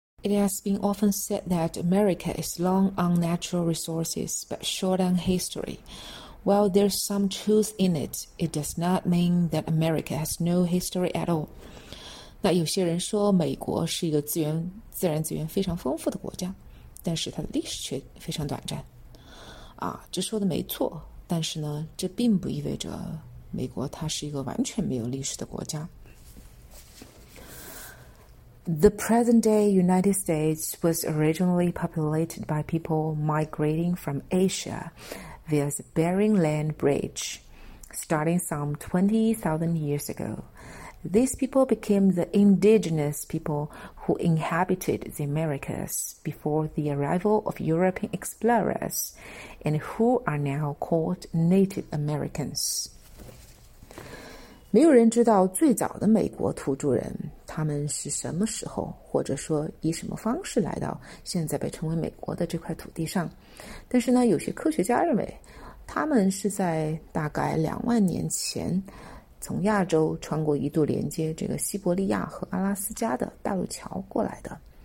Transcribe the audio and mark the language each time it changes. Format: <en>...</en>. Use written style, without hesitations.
<en>It has been often said that America is long on natural resources but short on history. While there's some truth in it, it does not mean that America has no history at all.</en> <zh>那有些人说美国是一个自然资源非常丰富的国家，但是它的历史却非常短暂。啊，这说的没错，但是呢，这并不意味着美国它是一个完全没有历史的国家。</zh> <en>The present-day United States was originally populated by people migrating from Asia via the Bering Land Bridge, starting some 20,000 years ago. These people became the indigenous people who inhabited the Americas before the arrival of European explorers and who are now called Native Americans.</en> <zh>没有人知道最早的美国土著人他们是什么时候或者说以什么方式来到现在被称为美国的这块土地上。但是呢，有些科学家认为他们是在大概2万年前从亚洲穿过一度连接这个西伯利亚和阿拉斯加的大陆桥过来的。</zh>